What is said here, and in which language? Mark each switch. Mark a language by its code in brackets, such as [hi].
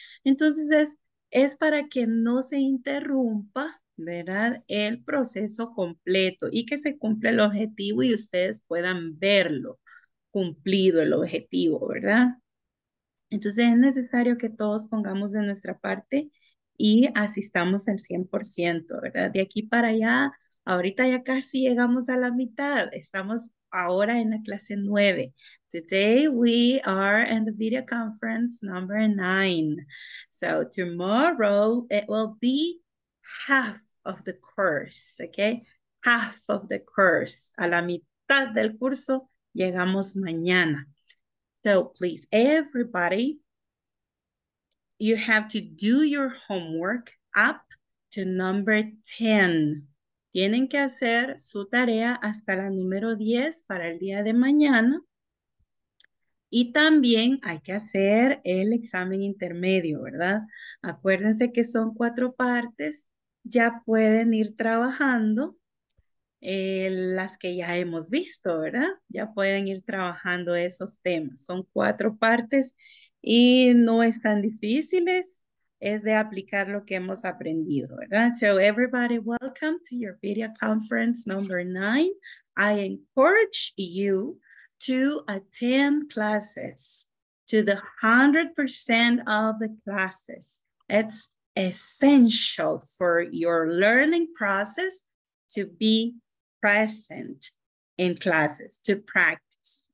[es] Entonces es para que no se interrumpa, ¿verdad?, el proceso completo y que se cumpla el objetivo y ustedes puedan verlo cumplido el objetivo, ¿verdad? Entonces es necesario que todos pongamos de nuestra parte y asistamos al 100%, ¿verdad? De aquí para allá, ahorita ya casi llegamos a la mitad. Estamos ahora en la clase 9. [en] Today we are in the video conference number 9. So tomorrow it will be half of the course, okay? Half of the course. [es] A la mitad del curso llegamos mañana. [en] So please, everybody, you have to do your homework up to number 10. [es] Tienen que hacer su tarea hasta la número 10 para el día de mañana. Y también hay que hacer el examen intermedio, ¿verdad? Acuérdense que son 4 partes. Ya pueden ir trabajando las que ya hemos visto, ¿verdad? Ya pueden ir trabajando esos temas. Son 4 partes y no están difíciles. Es de aplicar lo que hemos aprendido, ¿verdad? [en] So everybody, welcome to your video conference number 9. I encourage you to attend classes, to the 100% of the classes. It's essential for your learning process to be present in classes, to practice.